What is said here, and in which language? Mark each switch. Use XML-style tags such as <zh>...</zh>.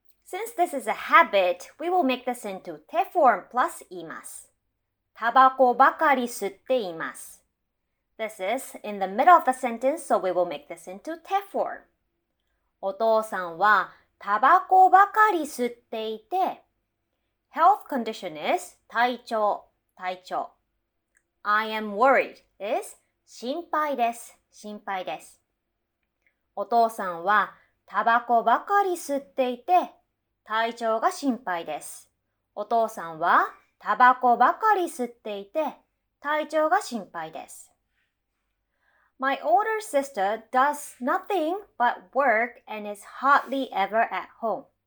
<en>Since this is a habit, we will make this into te form plus imasu.</en> <ja>タバコばかり吸っています。</ja> <en>This is in the middle of the sentence, so we will make this into te form.</en> <ja>お父さんはタバコばかり吸っていて。</ja> <en>Health condition is 体調。I am worried is 心配です。</en> <ja>お父さんはタバコばかり吸っていて。体調が心配です。お父さんはタバコばかり吸っていて、体調が心配です。</ja> <en>My older sister does nothing but work and is hardly ever at home.</en>